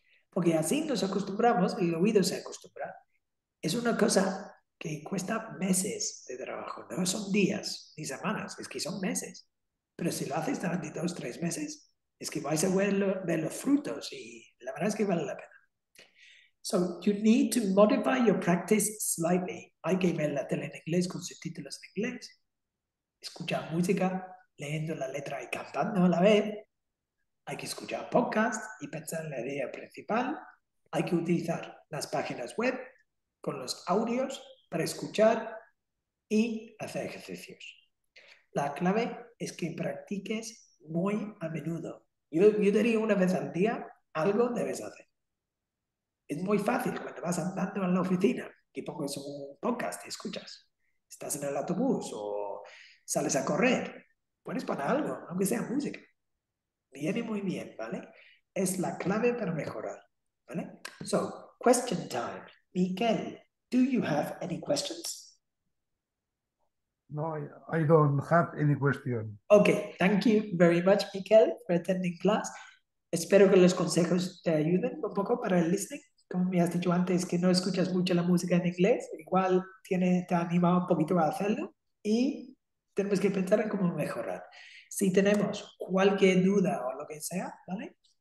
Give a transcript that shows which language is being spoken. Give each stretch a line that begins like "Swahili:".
Spanish: Porque así nos acostumbramos y el oído se acostumbra. Es una cosa que cuesta meses de trabajo, no son días ni semanas, es que son meses. Pero si lo haces durante 2, 3 meses, es que vais a ver los frutos y la verdad es que vale la pena.
English: So, you need to modify your practice slightly.
Spanish: Hay que ver la tele en inglés con subtítulos en inglés, escuchar música, leyendo la letra y cantando a la vez. Hay que escuchar podcast y pensar en la idea principal. Hay que utilizar las páginas web con los audios para escuchar y hacer ejercicios. La clave es que practiques muy a menudo. Yo diría una vez al día, algo debes hacer. Es muy fácil cuando vas andando en la oficina, que pongas un podcast y escuchas. Estás en el autobús o sales a correr. Pones para algo, aunque sea música. Viene muy bien, ¿vale? Es la clave para mejorar, ¿vale?
English: So, question time. Miguel, do you have any questions? No, I don't have any question. Ok, thank you very much, Miguel, for attending class.
Spanish: Espero que los consejos te ayuden un poco para el listening. Como me has dicho antes, que no escuchas mucho la música en inglés, igual te ha animado un poquito a hacerlo y tenemos que pensar en cómo mejorar. Si tenemos cualquier duda o lo que sea, ¿vale?